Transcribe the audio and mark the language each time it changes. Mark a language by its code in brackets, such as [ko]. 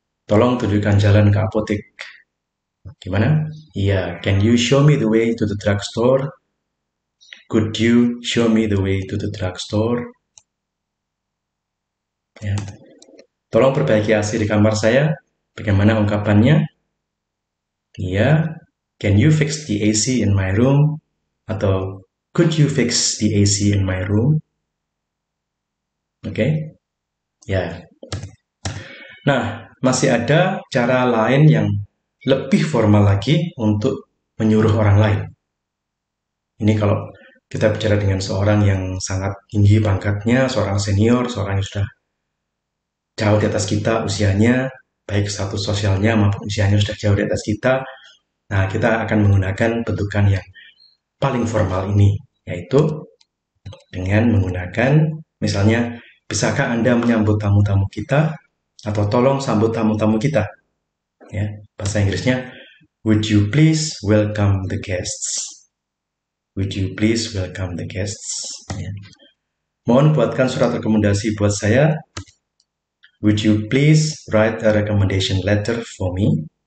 [id] Tolong tunjukkan jalan ke apotek. Gimana? Iya. [en] Can you show me the way to the drugstore? Could you show me the way to the drugstore? [id] Ya. Tolong perbaiki AC di kamar saya. Bagaimana ungkapannya? Iya. [en] Can you fix the AC in my room? Atau could you fix the AC in my room? [id] Oke. Ya. Nah, masih ada cara lain yang lebih formal lagi untuk menyuruh orang lain. Ini kalau kita bicara dengan seorang yang sangat tinggi pangkatnya, seorang senior, seorang yang sudah jauh di atas kita usianya, baik status sosialnya maupun usianya sudah jauh di atas kita. Nah, kita akan menggunakan bentukan yang paling formal ini, yaitu dengan menggunakan, misalnya, bisakah Anda menyambut tamu-tamu kita? Atau tolong sambut tamu-tamu kita. Ya, bahasa Inggrisnya, [en] would you please welcome the guests? Would you please welcome the guests? Ya. [id] Mohon buatkan surat rekomendasi buat saya. [en] Would you please write a recommendation letter for me?